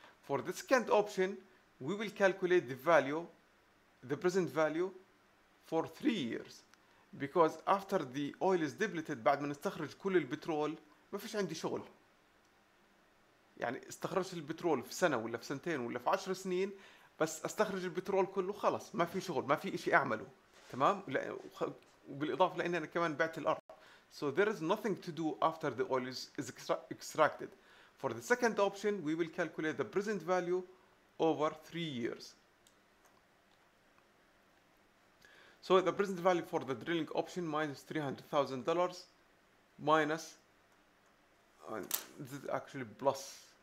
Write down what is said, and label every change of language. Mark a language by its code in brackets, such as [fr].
[en] For the second option, we will calculate the value, the present value for 3 years. Because after the oil is depleted, [ar] بعد ما نستخرج كل البترول, ما فيش عندي شغل. يعني استخرج البترول في سنة ولا في سنتين ولا في 10 سنين, بس استخرج البترول كله خلاص, ما في شغل, ما في اشي اعمله. تمام؟ وبالاضافة لان انا كمان بعت الارض. [en] So there is nothing to do after the oil is extracted. For the second option, we will calculate the present value over 3 years. So the present value for the drilling option minus $300,000 minus, this is actually plus.